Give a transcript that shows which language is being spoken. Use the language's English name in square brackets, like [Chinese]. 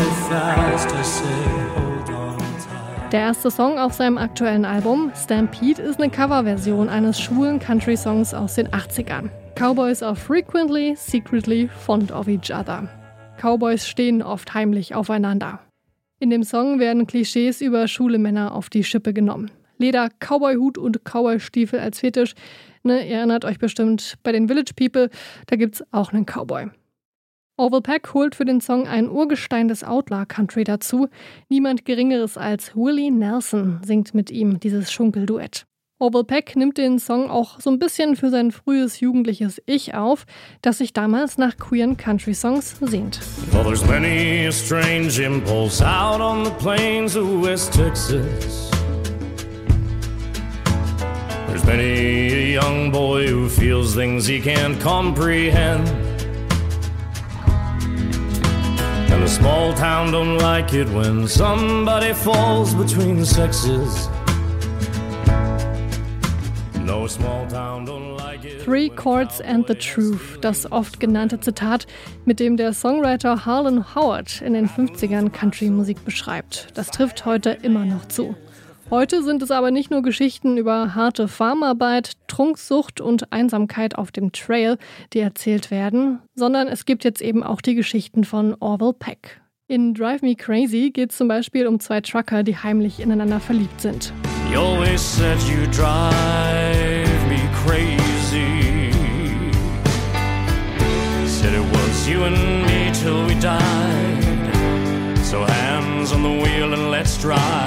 [German] Der erste Song auf seinem aktuellen Album, Stampede, ist eine Coverversion eines schwulen Country-Songs aus den 80ern. [English] Cowboys are frequently, secretly fond of each other. [German] Cowboys stehen oft heimlich aufeinander. In dem Song werden Klischees über schwule Männer auf die Schippe genommen. Leder, Cowboy-Hut und Cowboy-Stiefel als Fetisch. Ne, ihr erinnert euch bestimmt, bei den Village People, da gibt's auch einen Cowboy. Orville Peck holt für den Song ein Urgestein des Outlaw-Country dazu. Niemand Geringeres als Willie Nelson singt mit ihm dieses Schunkelduett. Orville Peck nimmt den Song auch so ein bisschen für sein frühes jugendliches Ich auf, das sich damals nach queeren Country-Songs sehnt. [English] Well, there's many a strange impulse out on the plains of West Texas. There's many a young boy who feels things he can't comprehend. And a small town don't like it when somebody falls between the sexes. No small town don't like it. [German] Three Chords and the Truth, das oft genannte Zitat, mit dem der Songwriter Harlan Howard in den 50ern Country-Musik beschreibt. Das trifft heute immer noch zu. Heute sind es aber nicht nur Geschichten über harte Farmarbeit, Trunksucht und Einsamkeit auf dem Trail, die erzählt werden, sondern es gibt jetzt eben auch die Geschichten von Orville Peck. In Drive Me Crazy geht es zum Beispiel um zwei Trucker, die heimlich ineinander verliebt sind. [English] You always said you drive me crazy. Said it was you and me till we died. So hands on the wheel and let's drive.